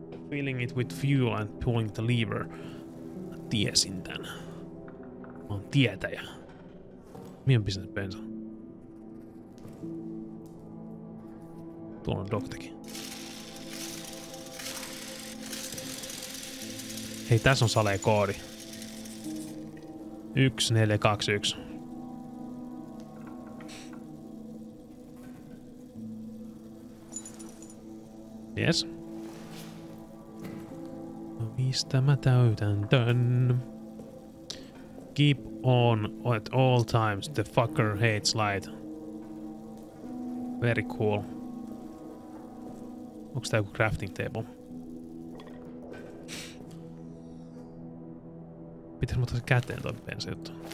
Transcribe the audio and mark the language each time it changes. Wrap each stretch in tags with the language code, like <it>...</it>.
<en>Filling it with fuel and pulling the lever.</en> <fi>Mä tiesin tän. Mä oon tietäjä. Mihin on pistänyt bensa? Tuolla on dogtaki. Hei, tässä on salee koodi. 1421.</fi> <en>Yes.</en> <fi>Mistä mä täytän tän?</fi> <en>Keep on at all times, the fucker hates light. Very cool.</en> <fi>Onks tää joku crafting table? P pitäis muuttaa sen käteen toi bensa juttu.</fi>